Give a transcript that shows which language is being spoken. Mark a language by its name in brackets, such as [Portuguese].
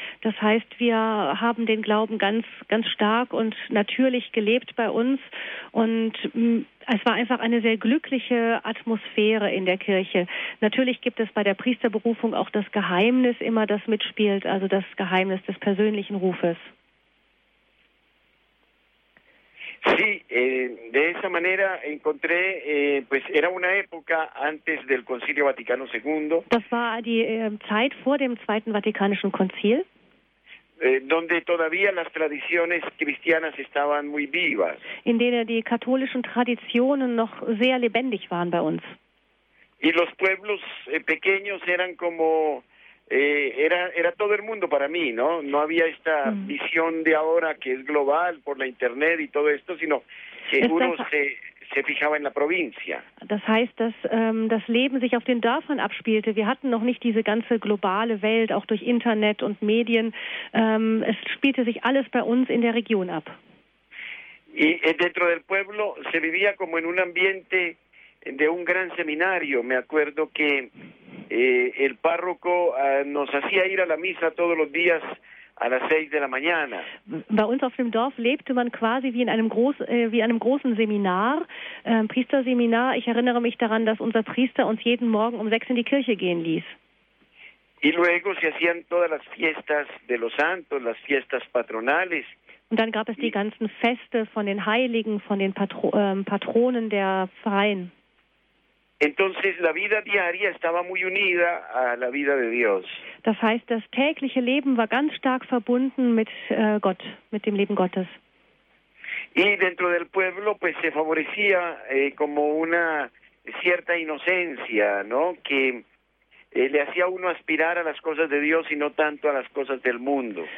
[German] Das heißt, wir haben den Glauben ganz, ganz stark und natürlich gelebt bei uns. Und es war einfach eine sehr glückliche Atmosphäre in der Kirche. Natürlich gibt es bei der Priesterberufung auch das Geheimnis immer, das mitspielt, also das Geheimnis des persönlichen Rufes. [Spanish] Sí, de esa manera encontré, pues era una época antes del Concilio Vaticano II. [German] Das war die Zeit vor dem Zweiten Vatikanischen Konzil. [Spanish] Donde todavía las tradiciones cristianas estaban muy vivas. [German] In denen die katholischen Traditionen noch sehr lebendig waren bei uns. [Spanish] Y los pueblos pequeños eran como, era todo el mundo para mí, ¿no? No había esta visión de ahora que es global por la internet y todo esto, sino que uno se fijaba en la provincia. [German] Das heißt, dass das Leben sich auf den Dörfern abspielte. Wir hatten noch nicht diese ganze globale Welt, auch durch Internet und Medien. Es spielte sich alles bei uns in der Region ab. [Spanish] Y dentro del pueblo se vivía como en un ambiente de un gran seminario. Me acuerdo que el párroco nos hacía ir a la misa todos los días a las 6 de la mañana. [German] Bei uns auf dem Dorf lebte man quasi wie in einem großen Seminar, Priesterseminar. Ich erinnere mich daran, dass unser Priester uns jeden Morgen um 6 in die Kirche gehen ließ. [Spanish] Y luego se hacían todas las fiestas de los santos, las fiestas patronales. [German] Und dann gab es die ganzen Feste von den Heiligen, von den Patronen der Pfarreien. [Spanish] Entonces la vida diaria estaba muy unida a la vida de Dios. [German] Das heißt, das tägliche Leben war ganz stark verbunden mit Gott, mit dem Leben Gottes. [Spanish] Y dentro del pueblo pues se favorecía como una cierta inocencia, ¿no? Que le hacía uno aspirar a las cosas de Dios y no tanto a las cosas del mundo.